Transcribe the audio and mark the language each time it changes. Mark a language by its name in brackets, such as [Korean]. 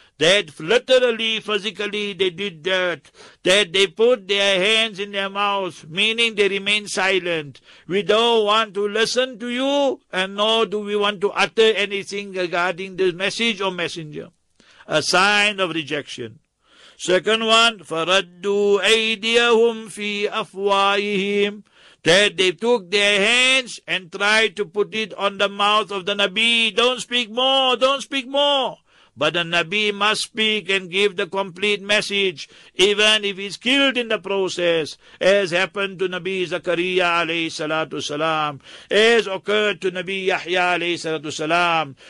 [English] That literally, physically, they did that. That they put their hands in their mouths, meaning they remain silent. We don't want to listen to you, and nor do we want to utter anything regarding this message or messenger. A sign of rejection. Second one, [Arabic] فَرَدُّوا أَيْدِيَهُمْ فِي أَفْوَاهِهِمْ. [English] That they took their hands and tried to put it on the mouth of the Nabi. Don't speak more, don't speak more. But the Nabi must speak and give the complete message, even if he's killed in the process, as happened to Nabi Zakariya alayhi salatu salam, as occurred to Nabi Yahya alayhi salatu salam.